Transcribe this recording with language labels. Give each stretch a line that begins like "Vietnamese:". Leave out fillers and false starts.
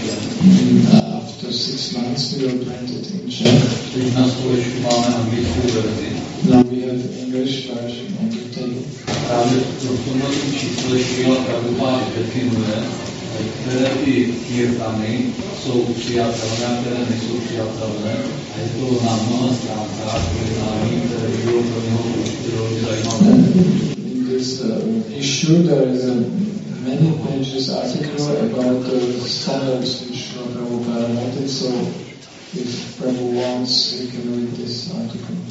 English: After 6 months, we will plant it in China. Now we have English version on the table.
Czech: Které ty kýrtany jsou přijatelné, které nejsou přijatelné. A je to na mnoha stránkách, které by bylo pro něho určitě zajímavé.
English: In this issue, there is a many pages article about the standards which Prabhupada wanted, so if Prabhupada wants, he can read this article.